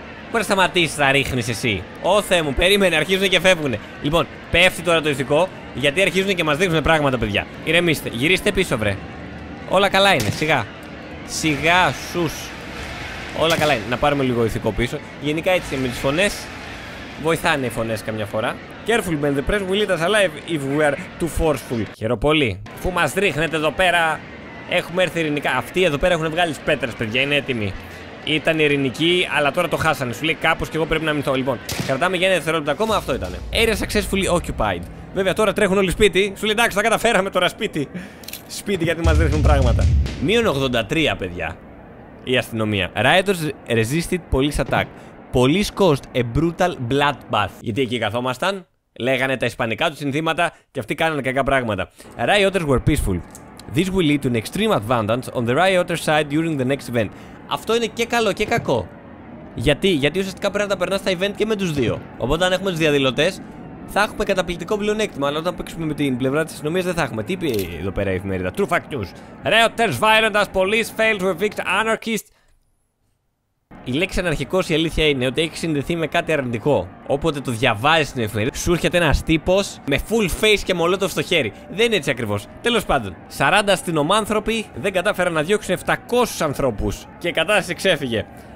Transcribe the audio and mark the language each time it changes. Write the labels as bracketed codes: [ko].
[el] Πού να σταματήσει, θα ρίχνει εσύ. Ω Θεέ μου, περίμενε, αρχίζουν και φεύγουν. Λοιπόν, πέφτει τώρα το ηθικό, γιατί αρχίζουν και μας δείχνουν πράγματα, παιδιά. Ηρεμήστε, γυρίστε πίσω, βρε. Όλα καλά είναι, σιγά. Σιγά, σου. Όλα καλά είναι. Να πάρουμε λίγο ηθικό πίσω. Γενικά έτσι με τις φωνές. Βοηθάνε οι φωνές καμιά φορά. [en] Careful, man, the press will eat us alive if we are too forceful. [el] Χαίρο πολύ. Αφού μας ρίχνετε εδώ πέρα, έχουμε έρθει ειρηνικά. Αυτοί εδώ πέρα έχουν βγάλει τις πέτρες, παιδιά, είναι έτοιμοι. Ήταν ειρηνική, αλλά τώρα το χάσανε. Σου λέει κάπως και εγώ πρέπει να μηνθώ. Λοιπόν, κρατάμε για ένα δευτερόλεπτο ακόμα, αυτό ήταν. [en] Area successfully occupied. [el] Βέβαια, τώρα τρέχουν όλοι σπίτι. Σου λέει εντάξει, τα καταφέραμε τώρα σπίτι. Σπίτι, γιατί μας δείχνουν πράγματα. Μείον 83, παιδιά. Η αστυνομία. [en] Rioters resisted police attack. Police caused a brutal bloodbath. [el] Γιατί εκεί καθόμασταν, λέγανε τα ισπανικά του συνθήματα και αυτοί κάνανε κακά πράγματα. [en] Rioters were peaceful. This will lead to an extreme advantage on the rioters' side during the next event. [el] Αυτό είναι και καλό και κακό. Γιατί ουσιαστικά πρέπει να τα περνά στα event και με τους δύο. Οπότε αν έχουμε τους διαδηλωτές, θα έχουμε καταπληκτικό πλεονέκτημα. Αλλά όταν παίξουμε με την πλευρά της αστυνομίας, δεν θα έχουμε. Τι είπε εδώ πέρα η εφημερίδα. [en] True fact news. Rioters violent as police failed to evict anarchists. [el] Η λέξη αναρχικός, η αλήθεια είναι ότι έχει συνδεθεί με κάτι αρνητικό. Όποτε το διαβάζεις στην εφημερίδα, σου έρχεται ένας τύπος με full face και μολότοφ στο χέρι. Δεν είναι έτσι ακριβώς. Τέλος πάντων, 40 αστυνομάνθρωποι δεν κατάφεραν να διώξουν 700 ανθρώπους και η κατάσταση ξέφυγε.